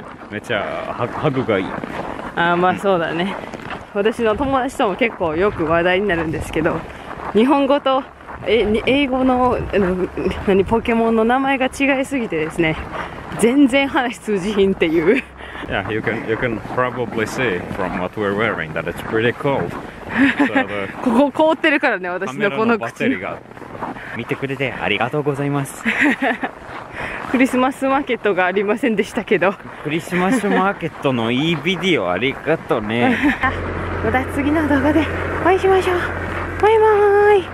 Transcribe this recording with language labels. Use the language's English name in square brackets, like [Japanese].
[Japanese] めっちゃハグがいい。あ、まあそうだね。私の友達とも結構よく話題になるんですけど、日本語と英語 の何ポケモンの名前が違いすぎてですね、全然話通じひんっていう。 [English] Yeah, you can probably see from what we're wearing that it's pretty cold. [Japanese] ここ凍ってるからね、私のこの口。カメラのバッテリーが。見てくれてありがとうございます。クリスマスマーケットがありませんでしたけど。クリスマスマーケットのいいビデオありがとうね。また次の動画でお会いしましょう。バイバーイ。